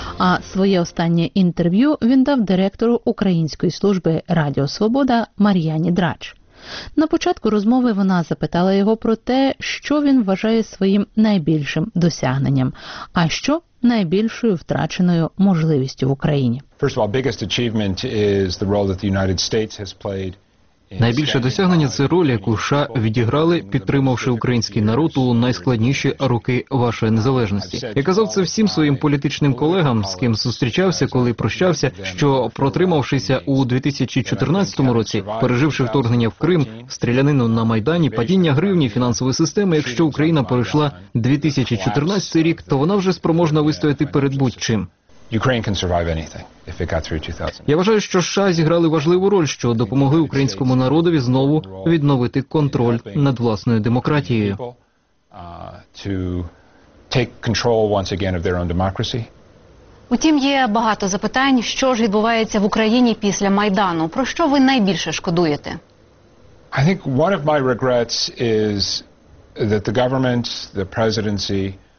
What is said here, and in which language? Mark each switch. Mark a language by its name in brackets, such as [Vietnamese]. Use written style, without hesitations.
[Ukrainian] А своє останнє інтерв'ю він дав директору Української служби Радіо Свобода Мар'яні Драч. На початку розмови вона запитала його про те, що він вважає своїм найбільшим досягненням, а що найбільшою втраченою можливістю в Україні. [English] First of all, biggest achievement is the role that the United States has played. [Ukrainian] Найбільше досягнення – це роль, яку США відіграли, підтримавши український народ у найскладніші роки вашої незалежності. Я казав це всім своїм політичним колегам, з ким зустрічався, коли прощався, що протримавшися у 2014 році, переживши вторгнення в Крим, стрілянину на Майдані, падіння гривні, фінансової системи, якщо Україна перейшла 2014 рік, то вона вже спроможна вистояти перед будь-чим. [English] Ukraine can survive anything if it got through 2000. [Ukrainian] Я вважаю, що США зіграли важливу роль, що допомогли українському народові знову відновити контроль над власною демократією. [English] To take control once again of their own democracy. [Ukrainian] Утім, є багато запитань, що ж відбувається в Україні після Майдану. Про що ви найбільше шкодуєте? [English] I think one of my regrets is that the government, the presidency,